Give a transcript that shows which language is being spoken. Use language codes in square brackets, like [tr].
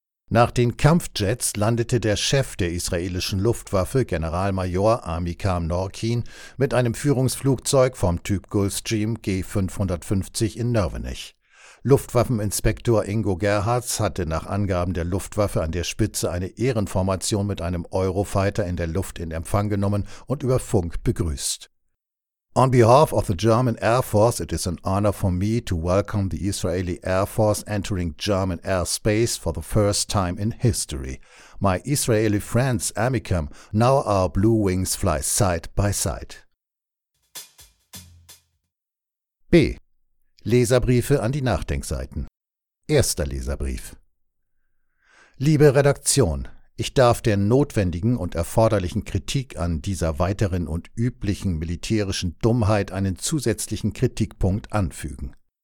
[de] Nach den Kampfjets landete der Chef der israelischen Luftwaffe, Generalmajor Amikam Norkin, mit einem Führungsflugzeug vom Typ Gulfstream G550 in Nörvenich. Luftwaffeninspektor Ingo Gerhards hatte nach Angaben der Luftwaffe an der Spitze eine Ehrenformation mit einem Eurofighter in der Luft in Empfang genommen und über Funk begrüßt. [en] On behalf of the German Air Force, it is an honor for me to welcome the Israeli Air Force entering German airspace for the first time in history. My Israeli friends, Amikam, now our Blue Wings fly side by side. B. [de] Leserbriefe an die Nachdenkseiten. Erster Leserbrief. Liebe Redaktion, ich darf der notwendigen und erforderlichen Kritik an dieser weiteren und üblichen militärischen Dummheit einen zusätzlichen Kritikpunkt anfügen.